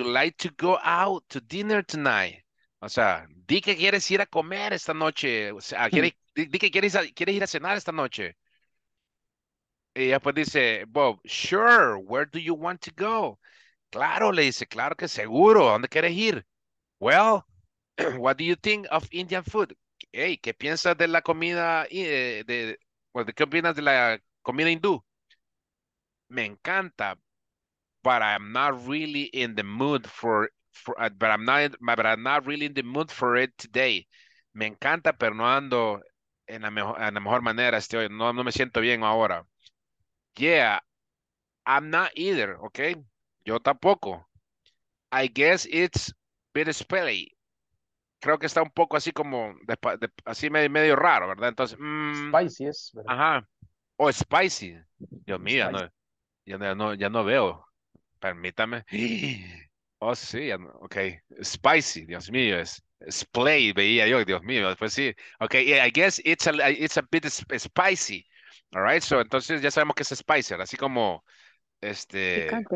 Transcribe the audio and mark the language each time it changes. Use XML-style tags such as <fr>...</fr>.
<en>Would you like to go out to dinner tonight?</en> <es>O sea, di que quieres ir a comer esta noche. O sea, quieres ir a cenar esta noche. Y después dice,</es> <en>Bob, sure, where do you want to go?</en> <es>Claro, le dice, claro que seguro, ¿a dónde quieres ir?</es> <en>Well, what do you think of Indian food?</en> <es>Hey, ¿qué piensas de la comida, qué opinas de la comida hindú? Me encanta,</es> <en>but I'm not really in the mood for it today.</en> <es>Me encanta, pero no ando en la mejor manera, no me siento bien ahora.</es> <en>Yeah, I'm not either, okay?</en> <es>Yo tampoco.</es> <en>I guess it's bit spelly.</en> <es>Creo que está un poco así como, así medio raro, ¿verdad? Entonces, spicy es, ¿verdad? Ajá. O oh, spicy. Dios mío, spicy. Ya no veo. Permítame. Oh, sí, ya no. Ok. Spicy, Dios mío, es. Splay, veía yo, Dios mío, después pues sí.</es> <en>Ok, yeah, I guess it's a bit spicy. All right, so</en> <es>entonces ya sabemos que es spicy, así como este.</es>